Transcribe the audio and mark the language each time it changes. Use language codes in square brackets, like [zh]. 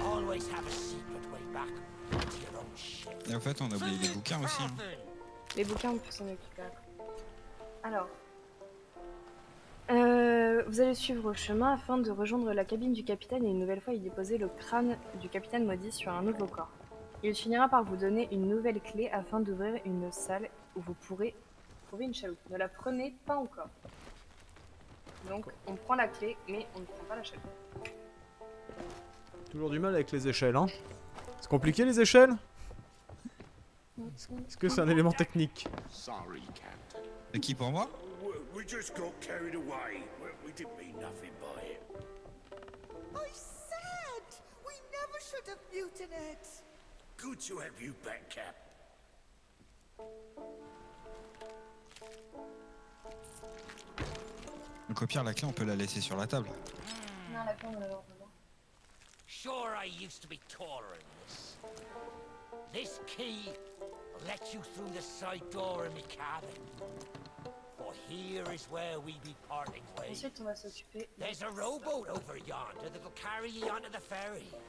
[en] Always have a secret way back to your own ship. [fr] Et en fait, on a oublié les bouquins aussi. Hein. Les bouquins, on peut s'en occuper. Alors. Vous allez suivre le chemin afin de rejoindre la cabine du capitaine et une nouvelle fois y déposer le crâne du capitaine maudit sur un nouveau corps. Il finira par vous donner une nouvelle clé afin d'ouvrir une salle où vous pourrez trouver une chaloupe. Ne la prenez pas encore. Donc, on prend la clé, mais on ne prend pas la chaloupe. Toujours du mal avec les échelles, hein. C'est compliqué les échelles ? Est-ce que c'est un élément technique ? [en] Sorry, [fr] Captain. Et qui pour moi ? [en] We just got carried away. We didn't mean nothing by it. I said we never should have mutinied. Good to have you back, Cap. [fr] Donc au pire, la clé, on peut la laisser sur la table. Non, la clé, on l'a dans le bras. [en] Sure, I used to be taller than this. This key lets you through the side door in the cabin. For here is where we be parting ways. [fr] Ensuite, on va s'occuper. [en] There's a rowboat over yonder that'll carry you onto the ferry.